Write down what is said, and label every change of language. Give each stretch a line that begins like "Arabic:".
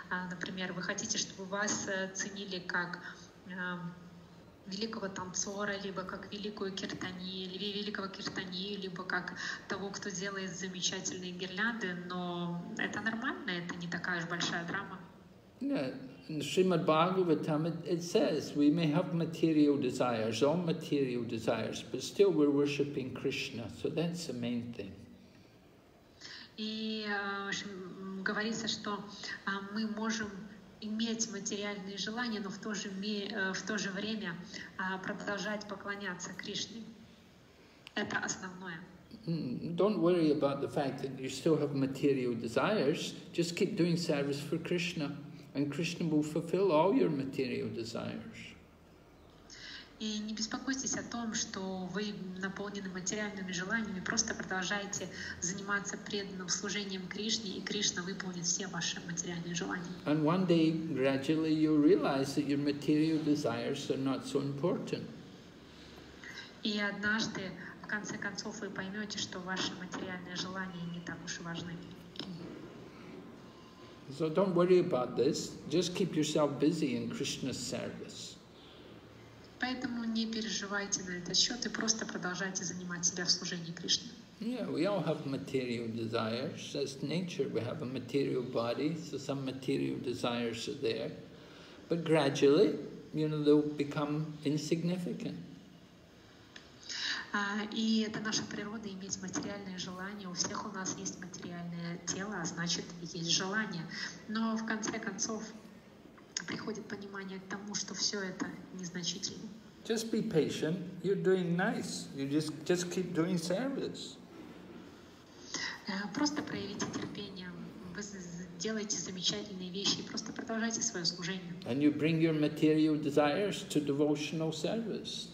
Russian: Например, вы хотите, чтобы вас ценили как великого танцора, либо как великую киртанию, или великого киртанию, либо как того, кто делает замечательные гирлянды, но это нормально, это не такая уж большая драма.
English: In Srimad Bhagavatam, it says we may have material desires, all material desires, but still we're worshipping Krishna. So that's the main thing.
Russian: И говорится, что мы можем иметь материальные желания, но в то же время продолжать поклоняться Кришне. Это основное.
English: Don't worry about the fact that you still have material desires. Just keep doing service for Krishna. And Krishna will fulfill all your material desires.
Russian: И не беспокойтесь о том, что вы наполнены материальными желаниями, просто продолжайте заниматься преданным служением Кришне, и Кришна выполнит все ваши материальные желания.
English: And one day gradually you realize that your material desires are not so important.
Russian: И однажды в конце концов вы поймете, что ваши материальные желания не так уж и важны.
English: So don't worry about this. Just keep yourself busy in Krishna's service.
Russian: Поэтому не переживайте на этот счет и просто продолжайте занимать себя в служении Кришне.
English: Yeah, we all have material desires. That's nature. We have a material body, so some material desires are there. But gradually, you know, they'll become insignificant.
Russian: И это наша природа, иметь материальные желания. У всех у нас есть материальное тело, а значит, есть желание. Но в конце концов приходит понимание к тому, что все это незначительно.
English: Just be patient. You're doing nice. You just keep doing service.
Russian: Просто проявите терпение. Вы делаете замечательные вещи и просто продолжайте свое служение.
English: And you bring your material desires to devotional service.